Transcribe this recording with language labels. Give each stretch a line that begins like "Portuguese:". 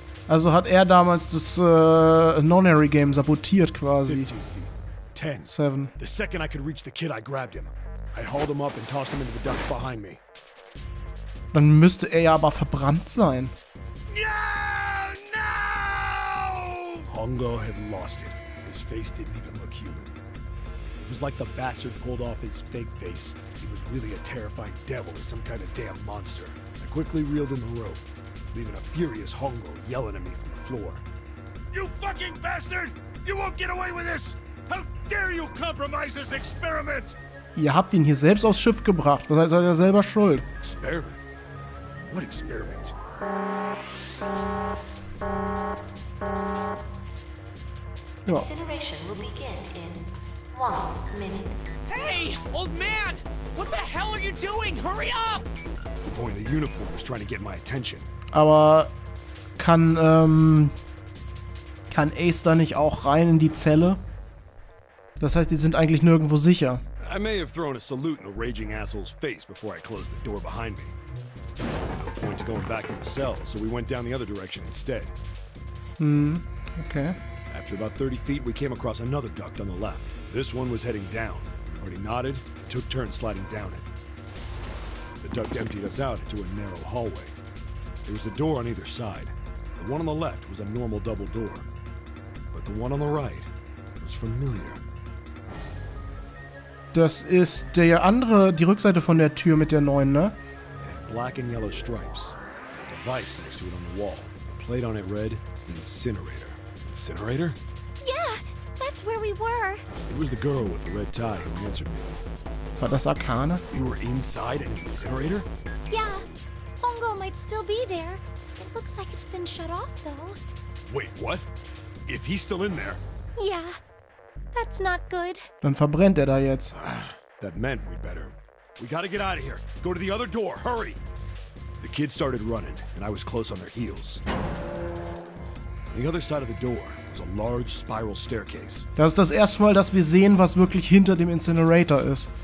German: Also hat er damals das Non-Harry Game sabotiert quasi.
English: 10. 7. The second I could reach the kid, I grabbed him. I hauled him up and tossed him into the duct behind me.
German: Dann müsste er ja aber verbrannt sein.
English: No! No! Hongo had lost it. His face didn't even look human. It was like the bastard pulled off his fake face. He was really a terrifying devil or some kind of damn monster. I quickly reeled in the rope, leaving a furious Hongo yelling at me from the floor. You fucking bastard! You won't get away with this! How dare you compromise this experiment?
German: Ihr habt ihn hier selbst aufs Schiff gebracht. Was seid ihr selber schuld?
English: Experiment? What experiment?
German: Ja.
English: Incineration will begin in 1 minute. Hey, old man! What the hell are you doing? Hurry up! The boy in the uniform was trying to get my attention.
German: Aber kann Ace da nicht auch rein in die Zelle? Das heißt, die sind eigentlich nirgendwo sicher.
English: I may have thrown a salute in a raging asshole's face before I closed the door behind me. No point to going back to the cell, so we went down the other direction instead. Okay. After about 30 feet, we came across another duct on the left. This one was heading down. We already nodded and took turns sliding down it. The duct emptied us out into a narrow hallway. There was a door on either side. The one on the left was a normal double door. But the one on the right was familiar.
German: Das ist der andere, die Rückseite von der Tür mit der neuen, ne?
English: Black and yellow stripes. A device next to it on the wall. A plate on it read, Incinerator. Incinerator? Yeah, that's where we were. It was the girl with the red tie who answered me.
German: War das Arcana?
English: You were inside an incinerator? Yeah, Hongo might still be there. It looks like it's been shut off, though. Wait, what? If he's still in there? Yeah. That's not good.
German: Dann verbrennt er da jetzt.
English: That meant we'd better. We gotta get out of here. Go to the other door. Hurry! The kids started running, and I was close on their heels. On the other side of the door was a large spiral staircase.
German: Das ist das erste Mal, dass wir sehen, was wirklich hinter dem Incinerator ist.